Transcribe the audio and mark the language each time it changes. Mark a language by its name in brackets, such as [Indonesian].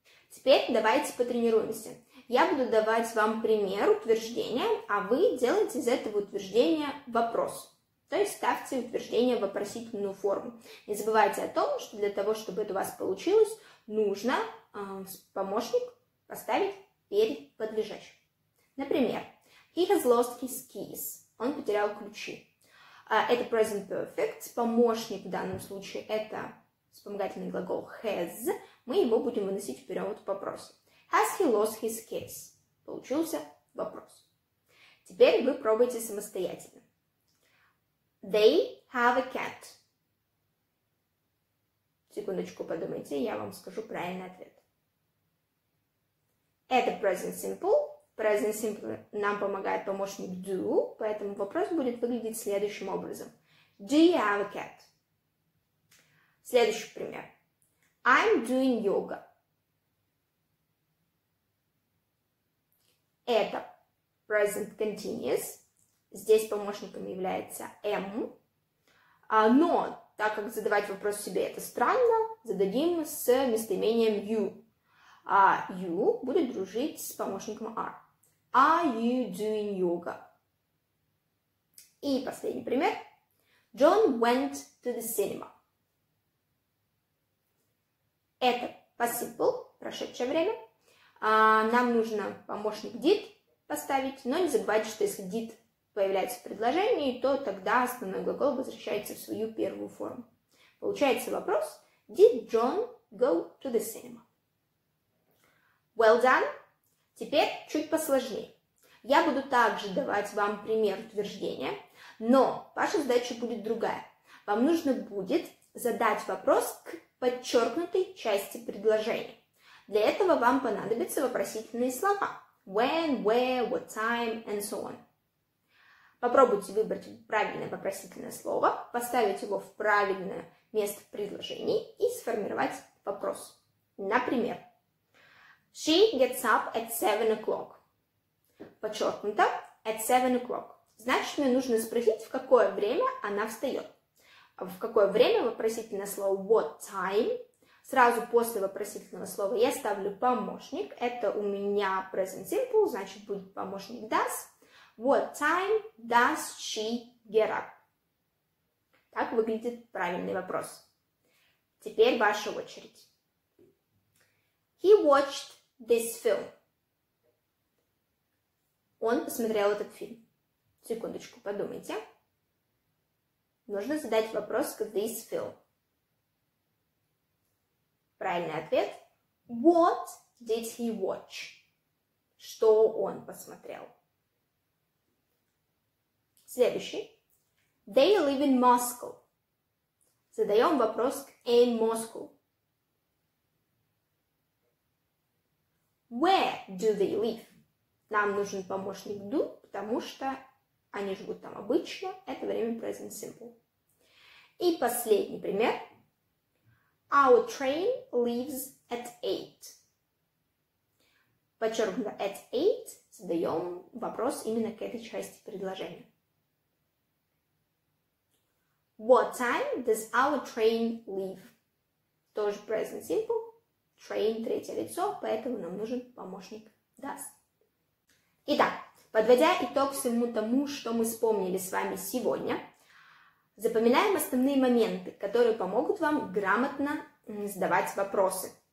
[Russian] Теперь давайте потренируемся. Я буду давать вам пример утверждения, а вы делаете из этого утверждения вопрос. То есть ставьте утверждение в вопросительную форму. Не забывайте о том, что для того, чтобы это у вас получилось, нужно помощник поставить перед подлежащим. Например, [English] he has lost his keys. [Russian] Он потерял ключи. Это present perfect. Помощник в данном случае это вспомогательный глагол has. Мы его будем выносить вперед в вопросе. [English] Has he lost his keys? [Russian] Получился вопрос. Теперь вы пробуйте самостоятельно. [English] They have a cat. [Russian] Секундочку подумайте, я вам скажу правильный ответ. Это present simple. Present simple нам помогает помощник do, поэтому вопрос будет выглядеть следующим образом. [English] Do you have a cat? [Russian] Следующий пример. [English] I'm doing yoga. [Russian] Это present continuous. Здесь помощником является am. Но, так как задавать вопрос себе это странно, зададим с местоимением you. А you будет дружить с помощником are. [English] Are you doing yoga? [Russian] И последний пример. [English] John went to the cinema. [Russian] Это past simple, прошедшее время. Нам нужно помощник did поставить, но не забывайте, что если did появляется в предложении, то тогда основной глагол возвращается в свою первую форму. Получается вопрос. [English] Did John go to the cinema? Well done. [Russian] Теперь чуть посложнее. Я буду также давать вам пример утверждения, но ваша задача будет другая. Вам нужно будет задать вопрос к подчеркнутой части предложения. Для этого вам понадобятся вопросительные слова. [English] When, where, what time, and so on. [Russian] Попробуйте выбрать правильное вопросительное слово, поставить его в правильное место в предложении и сформировать вопрос. Например, [English] she gets up at 7 o'clock. [Russian] Подчеркнуто [English] at 7 o'clock. [Russian] Значит, мне нужно спросить, в какое время она встает. В какое время вопросительное слово what time. Сразу после вопросительного слова я ставлю помощник. Это у меня present simple, значит, будет помощник does. [English] What time does she get up? [Russian] Так выглядит правильный вопрос. Теперь ваша очередь. [English] He watched this film. [Russian] Он посмотрел этот фильм. Секундочку, подумайте. Нужно задать вопрос к [English] this film. [Russian] Правильный ответ. [English] What did he watch? [Russian] Что он посмотрел? Следующий. [English] They live in Moscow. [Russian] Задаем вопрос к [English] in Moscow. Where do they live? [Russian] нам нужен помощник do, потому что они живут там обычно, это время present simple. И последний пример. [English] Our train leaves at 8. [Russian] Подчеркнуто [English] at 8, [Russian] задаем вопрос именно к этой части предложения. [English] What time does our train leave? [Russian] Тоже [English] present simple. [Russian] Train – третье лицо, поэтому нам нужен помощник does. Итак, подводя итог всему тому, что мы вспомнили с вами сегодня, запоминаем основные моменты, которые помогут вам грамотно задавать вопросы.